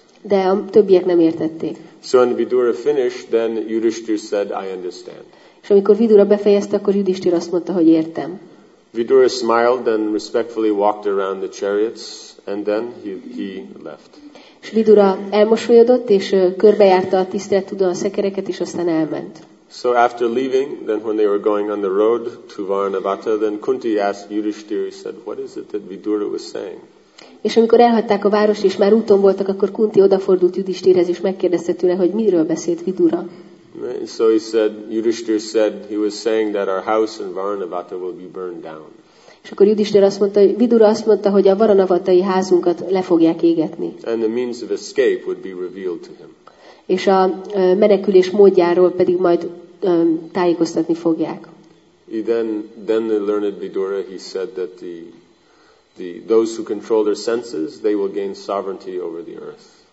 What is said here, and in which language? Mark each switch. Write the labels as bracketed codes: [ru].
[hu] De a többiek nem értették. [en] So when Vidura finished, then Yudhishthir said, I understand. [hu] És amikor Vidura befejezte, akkor Yudhishthir azt mondta, hogy értem. [en] Vidura smiled and respectfully walked around the chariots, and then he left. [hu] És Vidura elmosolyodott, és körbejárta a tisztelettudó a szekereket, és aztán elment. [en] So after leaving, then when they were going on the road to Varnavata, then Kunti asked Yudhishthir, he said, what is it that Vidura was saying? [hu] És amikor elhagyták a várost, és már úton voltak, akkor Kunti odafordult Yudhishthirhez, és megkérdezte tőle, hogy miről beszélt Vidura. [en] So he said, Yudhishthir said, he was saying that our house in Varanavata will be burned down. [hu] És akkor Yudhishthir azt mondta, Vidura azt mondta, hogy a Varanavatai házunkat le fogják égetni. [en] And the means of escape would be revealed to him. [hu] És a menekülés módjáról pedig majd tájékoztatni fogják. [en] Then the learned Vidura, he said that those who control their senses, they will gain sovereignty over the earth.